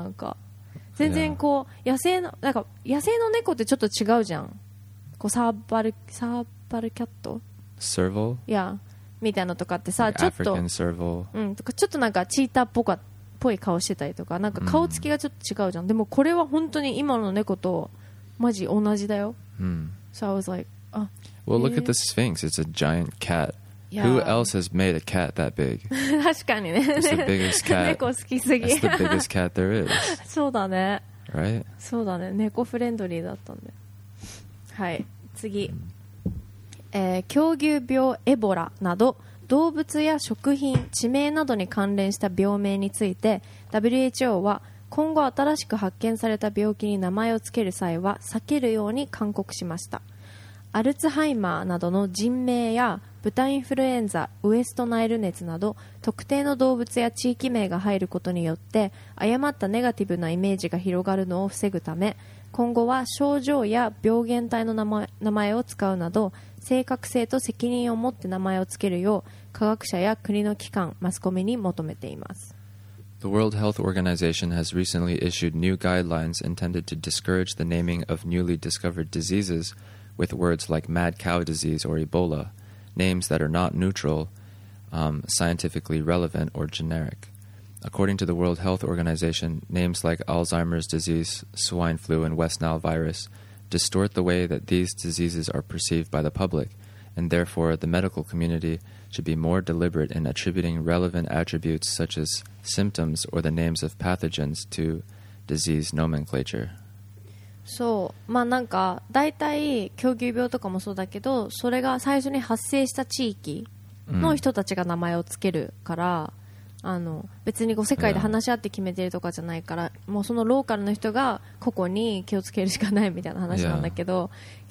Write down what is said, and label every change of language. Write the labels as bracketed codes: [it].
[ja] なんか全然こう野生の、なんか野生の猫ってちょっと違うじゃん、こうサーバルキャット、サーボル、いやみたいなのとかってさ、ちょっとアフリカンサーボル、うん、とかちょっとなんかチーターっぽかったぽい顔してたりとか、なんか顔つきがちょっと違うじゃん。でもこれは本当に今の猫とマジ同じだよ。 [en] So I was like, Well, look at the Sphinx. It's a giant cat. Who else has made a cat that big? [ja] 確かにね。 [en] It's the biggest cat. [ja] 猫好きすぎ。 [en] It's the biggest cat there is. [ja] そうだね。 [en] Right? [ja] そうだね。猫フレンドリーだったんで。はい。次。狂牛病、エボラなど。動物や食品、地名などに関連した病名について WHO は今後新しく発見された病気に名前をつける際は避けるように勧告しました。アルツハイマーなどの人名や豚インフルエンザ、ウエストナイル熱など特定の動物や地域名が入ることによって誤ったネガティブなイメージが広がるのを防ぐため、今後は症状や病原体の名前を使うなど正確性と責任を持って名前をつけるよう科学者や国の機関、マスコミに求めています。 [en] The World Health Organization has recently issued new guidelines intended to discourage the naming of newly discovered diseases with words like mad cow disease or Ebola, names that are not neutral, scientifically relevant or generic. According to the World Health Organization, names like Alzheimer's disease, swine flu and West Nile virus distort the way that these diseases are perceived by the public, and therefore the medical community should be more deliberate in attributing relevant attributes such as symptoms or the names of pathogens to disease nomenclature. [ja] そう、まあなんかだいたい狂牛病とかもそうだけど、それが最初に発生した地域の人たちが名前をつけるから、あの別にこう世界で話し合って決めてるとかじゃないから、yeah. もうそのローカルの人が個々に気をつけるしかないみたいな話なんだけど、yeah.